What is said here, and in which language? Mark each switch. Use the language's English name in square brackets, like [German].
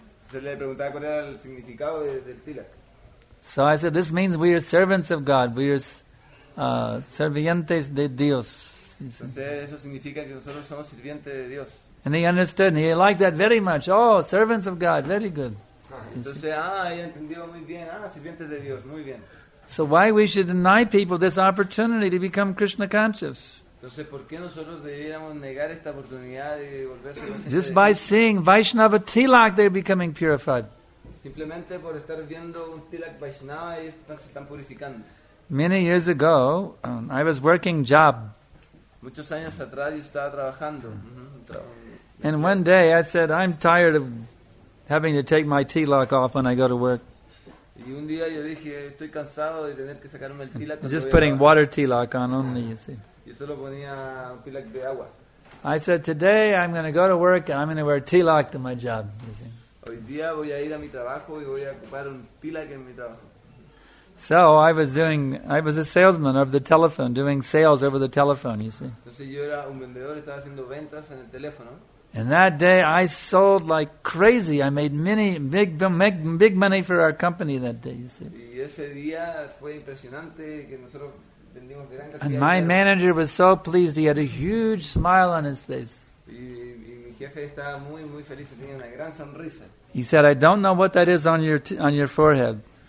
[Spanish] Se le preguntaba cuál era el significado del tilak. [English] So I said, this means we are servants of God. We are [Spanish] servientes de Dios. Entonces eso significa que nosotros somos sirvientes de Dios. [English] And he understood. And he liked that very much. Oh, servants of God. Very good. [Spanish] Entonces, he entendió muy bien. Sirvientes de Dios. Muy bien. [English] So why we should deny people this opportunity to become Krishna conscious? [Spanish] Entonces, ¿por qué nosotros deberíamos negar esta oportunidad de volverse conscientes? [English] Just by seeing Vaishnava tilak, they're becoming purified. [Spanish] Simplemente por estar viendo un tilak Vaishnava, ellos se están purificando. [English] Many years ago, I was working job. [Spanish] Muchos años atrás, yo estaba trabajando. [English] And one day, I said, I'm tired of having to take my tilak off when I go to work. [Spanish] Y un día yo dije, estoy cansado de tener que sacarme el tilak. [English] Just putting water tilak on only, you see. [Spanish] Yo solo ponía un tilak de agua. [English] I said, today I'm going to go to work and I'm going to wear tilak to my job. You see. [Spanish] Hoy día voy a ir a mi trabajo y voy a ocupar un tilak en mi trabajo. [English] So I was a salesman of the telephone, doing sales over the telephone, you see. [Spanish] Entonces yo era un vendedor, estaba haciendo ventas en el teléfono. [English] And that day I sold like crazy. I made big money for our company that day, you see. [Spanish] Y ese día fue impresionante que nosotros... [English] And my manager was so pleased, he had a huge smile on his face. He said, I don't know what that is on your forehead.